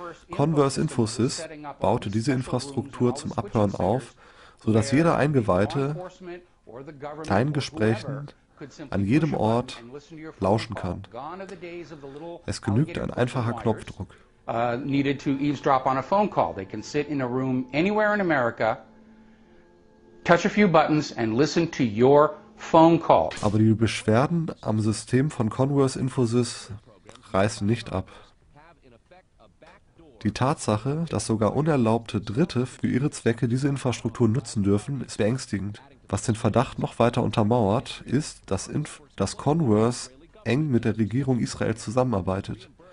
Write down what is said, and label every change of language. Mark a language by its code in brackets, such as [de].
[de] Converse Infosys baute diese Infrastruktur zum Abhören auf, sodass jeder Eingeweihte deinen Gesprächen an jedem Ort lauschen kann. Es genügt ein einfacher Knopfdruck. [en] Needed to eavesdrop on a phone call. They can sit in a room anywhere in America, touch a few buttons and listen to your phone call. [de] Aber die Beschwerden am System von Converse Infosys reißen nicht ab. Die Tatsache, dass sogar unerlaubte Dritte für ihre Zwecke diese Infrastruktur nutzen dürfen, ist beängstigend. Was den Verdacht noch weiter untermauert, ist, dass Converse eng mit der Regierung Israel zusammenarbeitet.